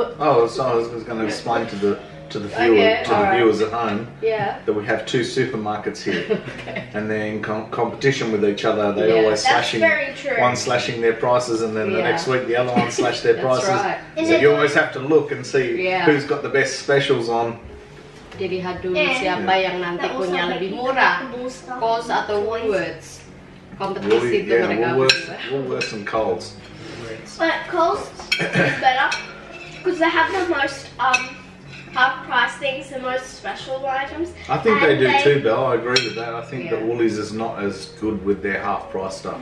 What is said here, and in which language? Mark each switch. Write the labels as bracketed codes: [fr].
[en] Oh, so I was going to explain to the viewers at home that we have two supermarkets here and they're in competition with each other. They're always slashing, one slashing their prices and then the next week the other one slash their prices. Right. So you always have to look and see who's got the best specials on. [id] Dilihat dulu siapa yang nanti punya lebih murah, Coles atau Woolworths. Kompetisi itu mereka. [en] Woolworths and Coles. But Coles is better because they have the most half-price things, the most special items. I think they do too, Belle. I agree with that. I think the Woolies is not as good with their half-price stuff.